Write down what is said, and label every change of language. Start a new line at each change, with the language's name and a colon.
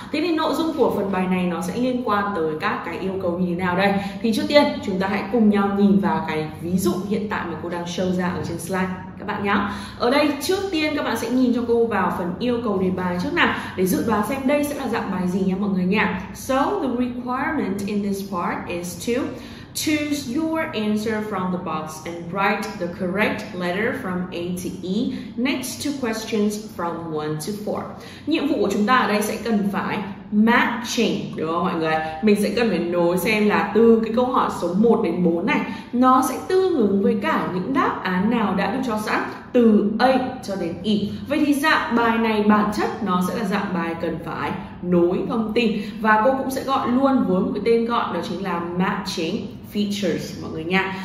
Vietnamese: Thế thì nội dung của phần bài này nó sẽ liên quan tới các cái yêu cầu như thế nào đây? Thì trước tiên, chúng ta hãy cùng nhau nhìn vào cái ví dụ hiện tại mà cô đang show ra ở trên slide các bạn nhé. Ở đây trước tiên các bạn sẽ nhìn cho cô vào phần yêu cầu đề bài trước nào để dự đoán xem đây sẽ là dạng bài gì nhé mọi người nhé.
English: So the requirement in this part is to choose your answer from the box and write the correct letter from A to E next to questions from 1 to 4.
Vietnamese: Nhiệm vụ của chúng ta ở đây sẽ cần phải matching, đúng không mọi người? Mình sẽ cần phải nối xem là từ cái câu hỏi số 1 đến 4 này nó sẽ tương ứng với cả những đáp án nào đã được cho sẵn từ A cho đến E. Vậy thì dạng bài này bản chất nó sẽ là dạng bài cần phải nối thông tin, và cô cũng sẽ gọi luôn với một cái tên gọi đó chính là matching features mọi người nha.